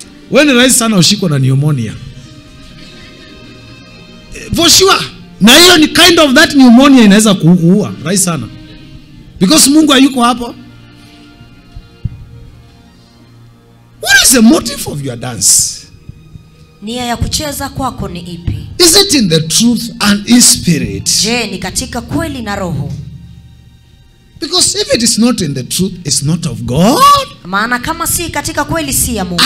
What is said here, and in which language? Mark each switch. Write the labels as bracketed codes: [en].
[sw] Wewe ni rahisi sana ushikwa na pneumonia. [en] For sure. [sw] Na hiyo ni [en] kind of that [sw] pneumonia inaweza kukuua. Rahisi sana. Because Mungu hayuko hapo. [en] What is the motive of your dance? [sw] Nia ya kucheza kwako ni ipi? [en] Is it in the truth and in spirit? [sw] Je, ni katika kweli na roho? [en] Because if it is not in the truth, it's not of God. [sw] Maana kama si katika kweli si ya Mungu.